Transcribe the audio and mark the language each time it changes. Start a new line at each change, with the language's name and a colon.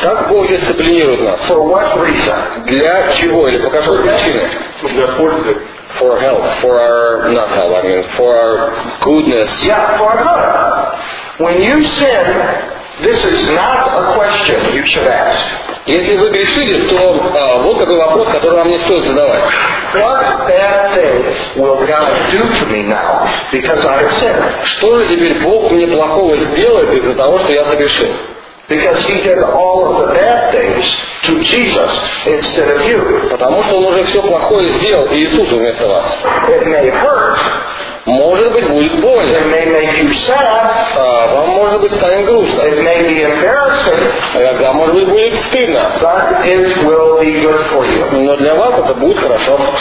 Russian: Как Бог дисциплинирует нас?
English: For what reason?
Russian: Для чего или по какой причине? Для пользы.
English: For health, for our not health, I mean, for our goodness. Yeah, for our good. When you sin, this is not a question you should ask.
Russian: Если вы грешили, то вот такой вопрос, который вам не стоит задавать.
English: What bad thing will God do to me now because I have sinned?
Russian: Что же теперь Бог мне плохого сделает из-за того, что я согрешил?
English: Because he did all of the bad things to Jesus instead of you.
Russian: Потому что он уже все плохое сделал Иисусу вместо вас.
English: It may hurt.
Russian: Может быть, будет больно.
English: It may make you sad.
Russian: Вам, может быть, станет грустно.
English: It may be embarrassing.
Russian: Тогда, может быть, будет стыдно.
English: But it will be good for you.
Russian: Но для вас это будет хорошо.